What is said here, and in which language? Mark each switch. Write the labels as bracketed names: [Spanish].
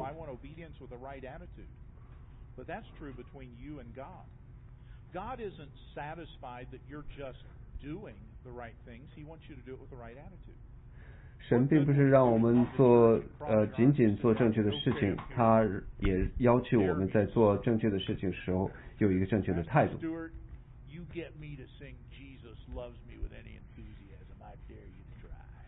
[English] I want obedience with the right attitude, but that's true between you and God. God isn't satisfied that you're just doing. The right things. He wants you to do it with the right attitude. [Chinese] 神并不是让我们做仅仅做正确的事情，他也要求我们在做正确的事情时候有一个正确的态度。 [English] Stuart, you get me to sing "Jesus Loves Me" with any enthusiasm. I dare you to try.